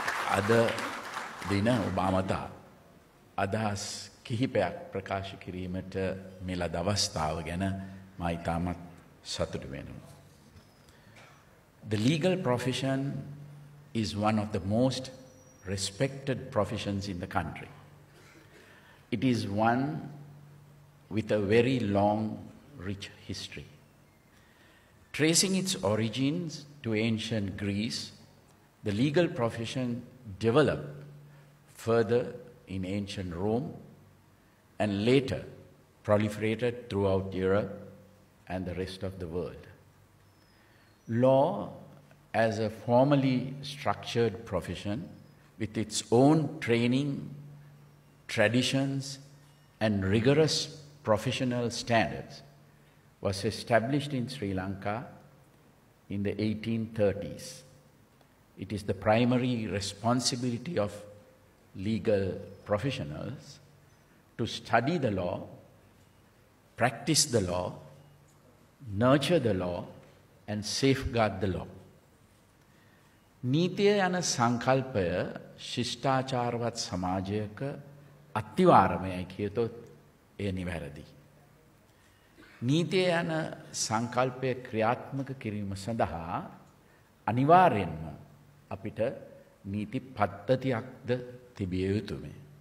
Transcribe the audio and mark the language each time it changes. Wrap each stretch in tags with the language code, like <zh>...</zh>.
<si>අද දින ඔබ අමතා අදහස් කිහිපයක් ප්‍රකාශ කිරීමට මේ ලද අවස්ථාව ගැන මා ඉතාමත් සතුටු වෙනවා.</si> <en>The legal profession is one of the most respected professions in the country. It is one with a very long, rich history. Tracing its origins to ancient Greece, the legal profession developed further in ancient Rome and later proliferated throughout Europe and the rest of the world. Law, as a formally structured profession with its own training, traditions, and rigorous professional standards, was established in Sri Lanka in the 1830s. It is the primary responsibility of legal professionals to study the law, practice the law, nurture the law, and safeguard the law.</en> <si>නීතිය යන සංකල්පය ශිෂ්ටාචාරවත් සමාජයක අත්‍යවශ්‍යමයි කියතොත් එය නිවැරදි. නීතිය යන සංකල්පය ක්‍රියාත්මක කිරීම සඳහා අනිවාර්යෙන්ම අපිට නීති පද්ධතියක්ද තිබිය යුතුමයි.</si>